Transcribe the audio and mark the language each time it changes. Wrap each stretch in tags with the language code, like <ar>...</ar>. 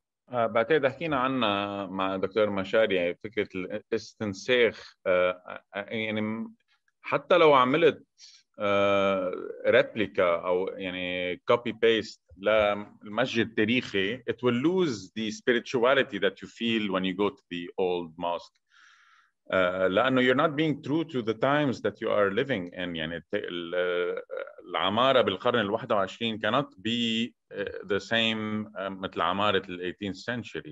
<ar>بعتقد حكينا عنا مع دكتور مشاري فكرة الاستنساخ، يعني حتى لو عملت ريبليكا أو يعني كوبي بيست للمسجد التاريخي،</ar> <en>it will lose the spirituality that you feel when you go to the old mosque.</en> <ar>لأنه</ar> <en>you're not being true to the times that you are living in.</en> <ar>يعني العمارة بالقرن الواحد وعشرين</ar> <en>cannot be the same</en> <ar>مثل عمارة ال</ar> <en>18th century.</en>